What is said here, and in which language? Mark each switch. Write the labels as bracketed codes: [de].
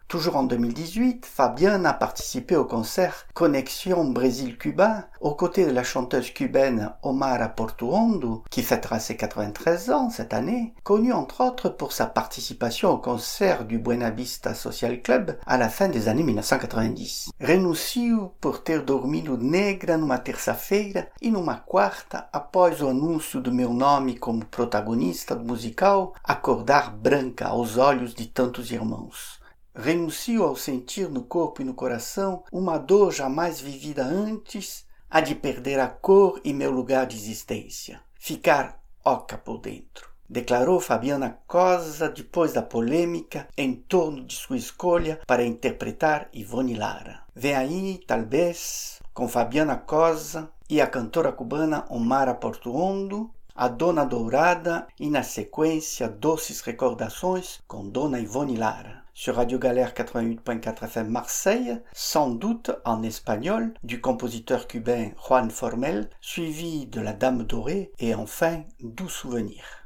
[fr] Toujours en 2018, Fabiana a participé au concert Connexion Brésil-Cuba aux côtés de la chanteuse cubaine Omara Portuondo, qui fêtera ses 93 ans cette année, connue entre autres pour sa participation au concert du Buena Vista Social Club à la fin des années 1990. [pt] Renuncio por ter dormido negra numa terça-feira e numa quarta após o anúncio do meu nome como protagonista do musical Acordar Branca aos olhos de tantos irmãos. Renuncio ao sentir no corpo e no coração uma dor jamais vivida antes, a de perder a cor e meu lugar de existência. Ficar oca por dentro, declarou Fabiana Coz depois da polêmica em torno de sua escolha para interpretar Ivone Lara. Vem aí, talvez, com Fabiana Coz e a cantora cubana Omara Portuondo, a Dona Dourada e, na sequência, Doces Recordações com Dona Ivone Lara. [fr] Sur Radio Galère 88.4 FM Marseille, sans doute en espagnol, du compositeur cubain Juan Formel, suivi de la Dame Dorée et enfin Doux Souvenir.